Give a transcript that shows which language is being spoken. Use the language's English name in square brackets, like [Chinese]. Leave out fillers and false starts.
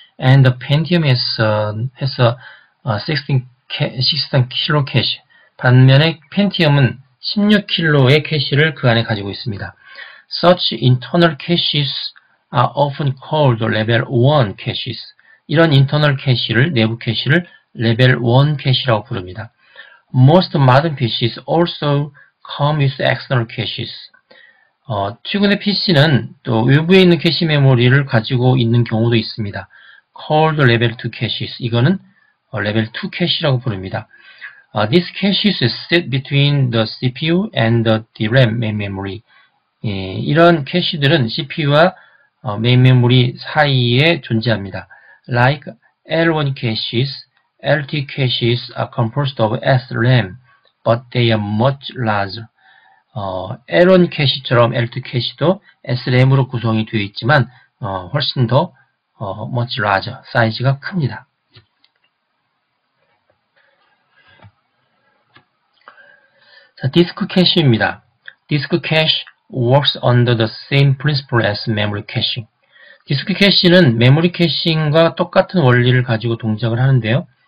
[English] And the Pentium has a 16KB cache. [Korean] 반면에 Pentium은 16KB의 캐시를 그 안에 가지고 있습니다. [English] Such internal caches are often called level 1 caches. [Korean] 이런 인터널 캐시를, 내부 캐시를 level 1 캐시라고 부릅니다. [English] Most modern PCs also come with external caches. [Korean] 최근의 PC는 또 외부에 있는 캐시 메모리를 가지고 있는 경우도 있습니다. [English] Called level 2 caches. [Korean] 이거는 level 2 캐시라고 부릅니다. [English] These caches sit between the CPU and the DRAM main memory. [Korean] 이런 캐시들은 CPU와 메인 메모리 사이에 존재합니다. [English] Like L1 caches, L2 caches are composed of SRAM, but they are much larger. [Korean] L1 캐시처럼 L2 캐시도 SRAM으로 구성이 되어 있지만 훨씬 더 [English] much larger, [Korean] 사이즈가 큽니다. 자, 디스크 캐시입니다. 디스크 캐시 [English] works under the same principle as memory caching. [Korean] 디스크 캐시는 메모리 캐싱과 똑같은 원리를 가지고 동작을 하는데요.